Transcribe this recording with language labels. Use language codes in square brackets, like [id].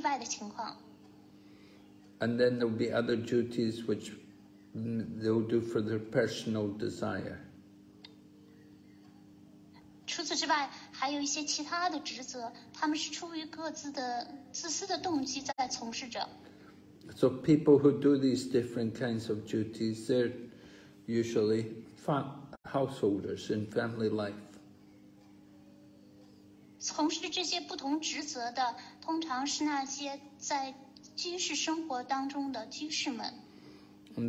[zh] 还有一些例外的情况，他们需要履行一些宗教的职责，宗教的仪式，照顾某个人，这些呢并不是很司空见惯的，但是这些例外的情况。And [en] then there will be other duties which they will do for their personal desire. [zh] 除此之外。还有一些其他的职责，他们是出于各自的自私的动机在从事着。So [en] people who do these different kinds of duties, they're usually householders in family life. [zh] 从事这些不同职责的，通常是那些在居士生活当中的居士们。And